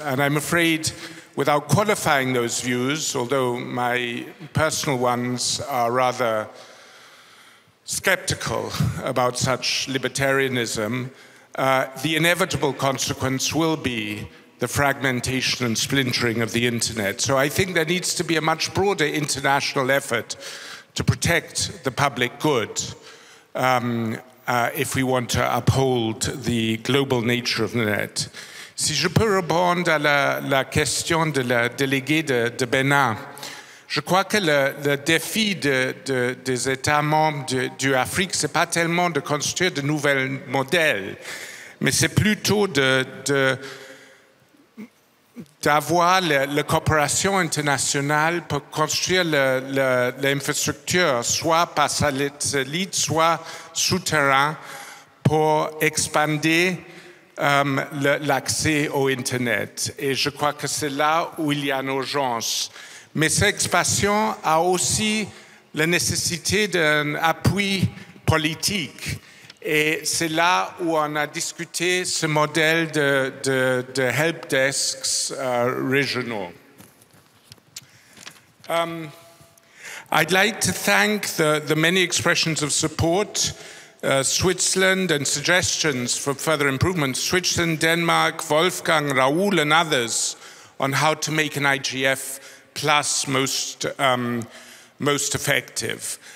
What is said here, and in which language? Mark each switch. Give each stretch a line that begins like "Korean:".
English: And I'm afraid, without qualifying those views, although my personal ones are rather skeptical about such libertarianism, the inevitable consequence will be the fragmentation and splintering of the internet. So I think there needs to be a much broader international effort to protect the public good if we want to uphold the global nature of the net.
French: Si je peux répondre à la question de la déléguée de Bénin, je crois que le défi des États membres du Afrique, c'est pas tellement de construire de nouveaux modèles, mais c'est plutôt d'avoir la coopération internationale pour construire l'infrastructure, soit par satellite, soit souterrain, pour expander l'accès au Internet. Et je crois que c'est là où il y a une urgence. Mais cette expansion a aussi la nécessité d'un appui politique. Et c'est là où on a discuté ce modèle de help desks régionaux.
English: I'd like to thank the many expressions of support, Switzerland, and suggestions for further improvements, Switzerland, Denmark, Wolfgang, Raoul, and others, on how to make an IGF plus most effective.